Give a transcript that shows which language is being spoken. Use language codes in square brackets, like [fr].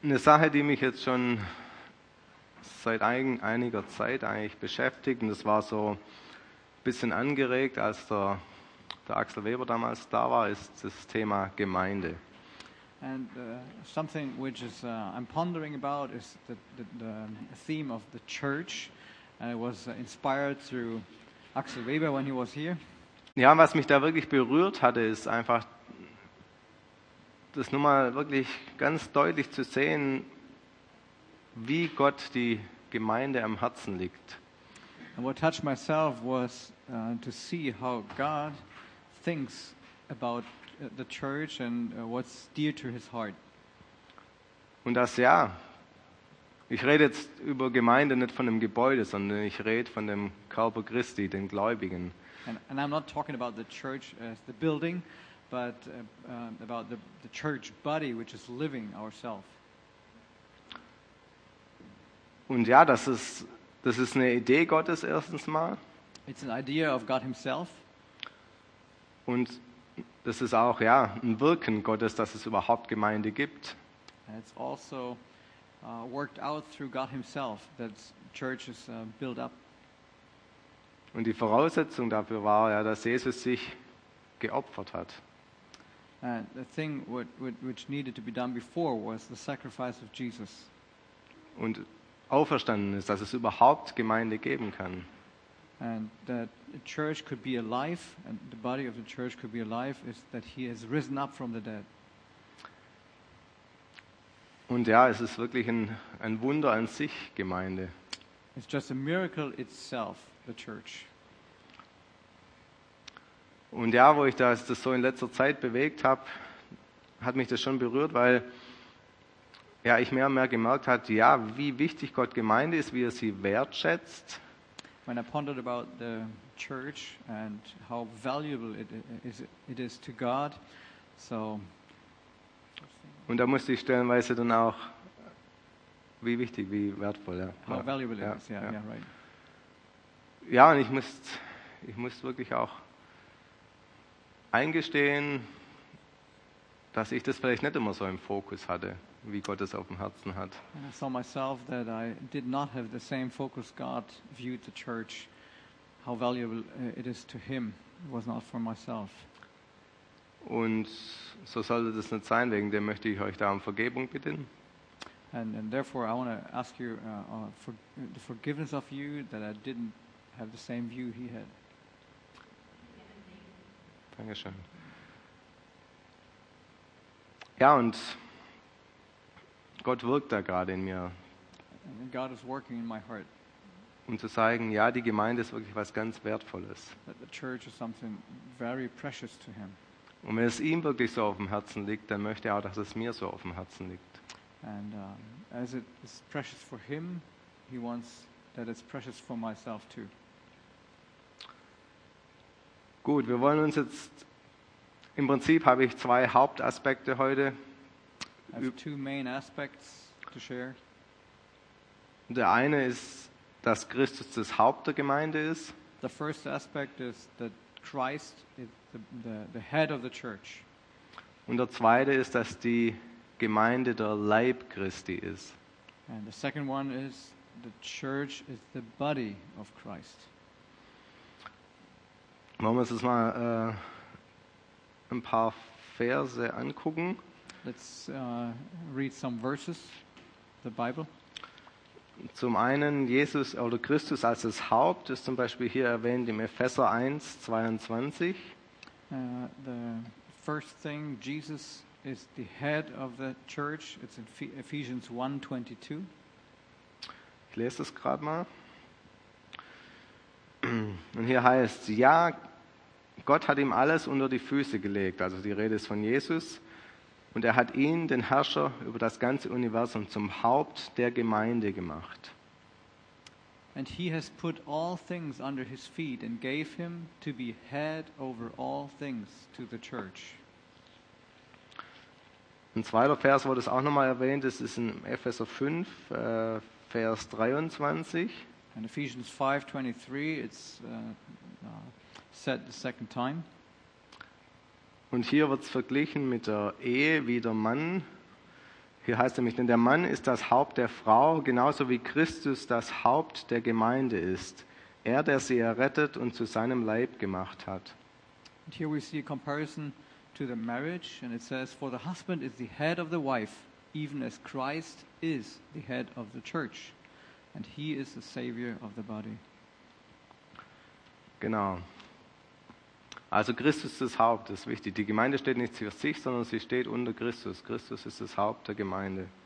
[de] Eine Sache, die mich jetzt schon seit einiger Zeit eigentlich beschäftigt, und das war so ein bisschen angeregt, als der Axel Weber damals da war, ist das Thema Gemeinde. [en] And something which is I'm pondering about is the theme of the church, and it was inspired through Axel Weber when he was here. [de] Ja, was mich da wirklich berührt hatte, ist einfach das nun mal wirklich ganz deutlich zu sehen, wie Gott die Gemeinde am Herzen liegt. [en] And what touched myself was to see how God thinks about the church and what's dear to his heart. [de] Und das, ja, ich rede jetzt über Gemeinde nicht von dem Gebäude, sondern ich rede von dem Körper Christi, den Gläubigen. [en] And I'm not talking about the church as the building, but about the church body, which is living ourselves. [de] Und ja, das ist eine Idee Gottes erstens mal. [en] It's an idea of God himself. [de] Und das ist auch, ja, ein Wirken Gottes, dass es überhaupt Gemeinde gibt. [en] And it's also worked out through God himself that churches is built up. [de] Und die Voraussetzung dafür war, ja, dass Jesus sich geopfert hat. [en] The thing which needed to be done before was the sacrifice of Jesus. [de] Und auferstanden ist, dass es überhaupt Gemeinde geben kann. [en] And that the church could be alive, and the body of the church could be alive, is that he has risen up from the dead. [de] Und ja, es ist wirklich ein Wunder an sich, Gemeinde. [en] It's just a miracle itself, the church. [de] Und ja, wo ich das so in letzter Zeit bewegt habe, hat mich das schon berührt, weil ja, ich mehr und mehr gemerkt habe, ja, wie wichtig Gott Gemeinde ist, wie er sie wertschätzt. [en] When I pondered about the church and how valuable it is to God, so. [de] Und da musste ich stellenweise dann auch, wie wichtig, wie wertvoll, ja. [en] How valuable it is, yeah, right. [de] Ja, und ich muss wirklich auch eingestehen, dass ich das vielleicht nicht immer so im Fokus hatte, wie Gott es auf dem Herzen hat. [en] I saw myself that I did not have the same focus God viewed the church, how valuable it is to him. It was not for myself. [de] Und so sollte das nicht sein, wegen dem möchte ich euch da um Vergebung bitten. [en] And therefore I want to ask you for the forgiveness of you that I didn't have the same view he had. [de] Dankeschön. Ja, und Gott wirkt da gerade in mir. [en] God is working in my heart. [de] Um zu sagen, ja, die Gemeinde ist wirklich was ganz Wertvolles. [en] That the church is something very precious to him. [de] Und wenn es ihm wirklich so auf dem Herzen liegt, dann möchte er auch, dass es mir so auf dem Herzen liegt. [en] And as it is precious for him, he wants that it's precious for myself too. [de] Gut, wir wollen uns jetzt, im Prinzip habe ich zwei Hauptaspekte heute. [en] I have two main aspects to share. [de] Der eine ist, dass Christus das Haupt der Gemeinde ist. [en] The first aspect is that Christ is the head of the church. [de] Und der zweite ist, dass die Gemeinde der Leib Christi ist. [en] And the second one is the church is the body of Christ. [de] Wollen wir uns das mal ein paar Verse angucken? [en] Let's read some verses, the Bible. [de] Zum einen Jesus oder Christus als das Haupt ist zum Beispiel hier erwähnt im Epheser 1, 22. [en] The first thing, Jesus is the head of the church. It's in Ephesians 1, 22. [de] Ich lese es gerade mal. Und hier heißt, ja, Gott hat ihm alles unter die Füße gelegt. Also die Rede ist von Jesus. Und er hat ihn, den Herrscher, über das ganze Universum zum Haupt der Gemeinde gemacht. [en] And he has put all things under his feet and gave him to be head over all things to the church. [de] Ein zweiter Vers, wo das auch nochmal erwähnt ist, ist in Epheser 5, Vers 23. [en] In Ephesians 5, 23, it's said the second time. [de] Und hier wird es verglichen mit der Ehe, wie der Mann Hier heißt nämlich, denn der Mann ist das Haupt der Frau, genauso wie Christus das Haupt der Gemeinde ist. Er, der sie errettet und zu seinem Leib gemacht hat. [en] And here we see a comparison to the marriage, and it says, for the husband is the head of the wife, even as Christ is the head of the church, and he is the savior of the body. [de] Genau. Also Christus ist das Haupt, das ist wichtig. Die Gemeinde steht nicht für sich, sondern sie steht unter Christus. Christus ist das Haupt der Gemeinde.